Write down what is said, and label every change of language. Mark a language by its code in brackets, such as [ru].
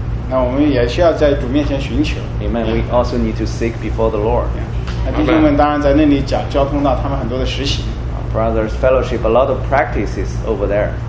[zh] 那我们也需要在主面前寻求。 [en] Amen. We also need to seek before the Lord. [zh] 那弟兄们当然在那里交通到他们很多的实习。 [en] Brothers fellowship a lot of practices over there.